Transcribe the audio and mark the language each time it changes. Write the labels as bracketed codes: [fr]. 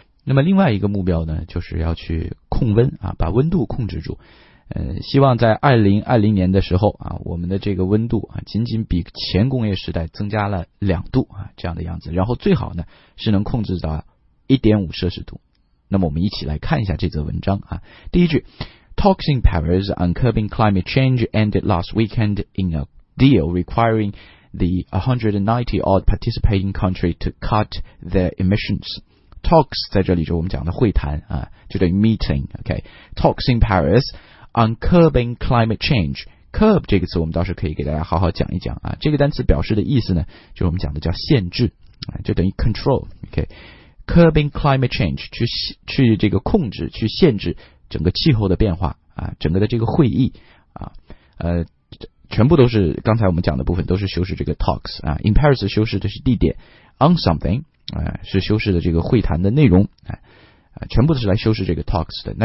[zh] 那么另外一个目标呢，就是要去控温啊，把温度控制住，希望在2020年的时候啊，我们的这个温度啊，仅仅比前工业时代增加了2度啊，这样的样子。然后最好呢，是能控制到1.5摄氏度。那么我们一起来看一下这则文章啊。第一句， [en] Talks in Paris on curbing climate change ended last weekend in a deal requiring the 190-odd participating country to cut their emissions. [zh] Talks 在这里就我们讲的会谈啊，就等于 meeting、okay? [en] Talks in Paris on curbing climate change. [zh] Curb 这个词我们倒是可以给大家好好讲一讲啊。这个单词表示的意思呢，就是我们讲的叫限制、啊、就等于 control、okay? [en] Curbing climate change, [zh] 去这个控制，去限制整个气候的变化啊，整个的这个会议啊，全部都是刚才我们讲的部分都是修饰这个 talks 啊， in Paris 修饰的是地点， on something 啊是修饰的这个会谈的内容啊，全部都是来修饰这个 talks 的。